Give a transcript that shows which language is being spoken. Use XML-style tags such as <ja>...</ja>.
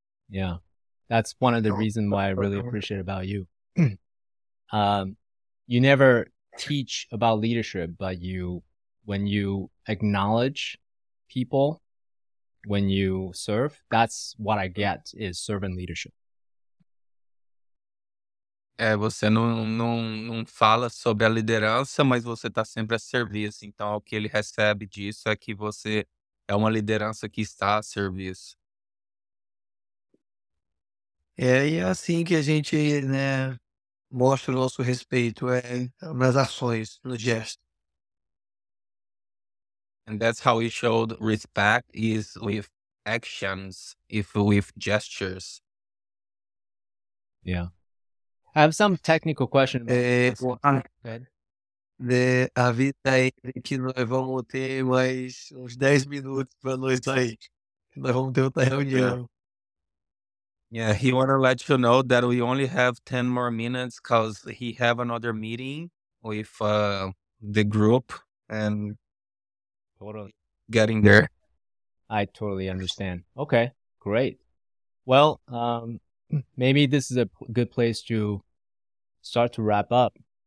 <en>Yeah, that's one of the reasons why I really appreciate about you. You never teach about leadership, but you when you acknowledge people, when you serve, that's what I get is servant leadership.</en> <pt>É, você não fala sobre a liderança, mas você está sempre a serviço. Então, o que ele recebe disso é que você é uma liderança que está a serviço. É, e é assim que a gente, né, mostra o nosso respeito, é nas ações, no gesto.</pt> <en>And that's how we showed respect is with actions, if with gestures. Yeah. I have some technical question.</en> <pt>Avisa aí que nós vamos ter mais uns 10 minutos para nós sair. Nós vamos ter outra reunião.</pt> <en>Yeah, he want to let you know that we only have 10 more minutes because he have another meeting with the group and totally getting there. I totally understand. Okay, great. Well, maybe this is a good place to start to wrap up.</en>